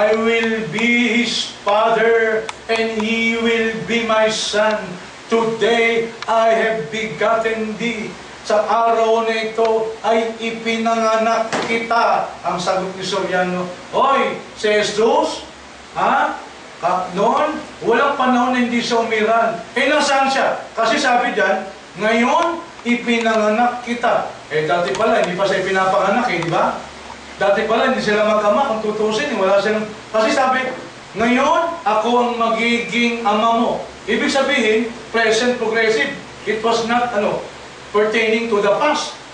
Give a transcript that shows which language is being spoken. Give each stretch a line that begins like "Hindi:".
English: I will be his father and he will be my son. Today, I have begotten thee.
Filipino: Sa araw na ito, ay ipinanganak kita. Ang sagot ni Soriano, Hoy, si Jesus, ha? Noon, walang panahon hindi siya umiral. Eh, nasaan siya? Kasi sabi dyan, ngayon, ipinanganak kita. Eh, dati pala, hindi pa siya ipinapanganak, eh, di ba? Dati pala, hindi sila mag-ama. Kung tutusin, wala silang... Kasi sabi, ngayon, ako ang magiging ama mo. Ibig sabihin,
English: present progressive. It was not, ano, pertaining to the past.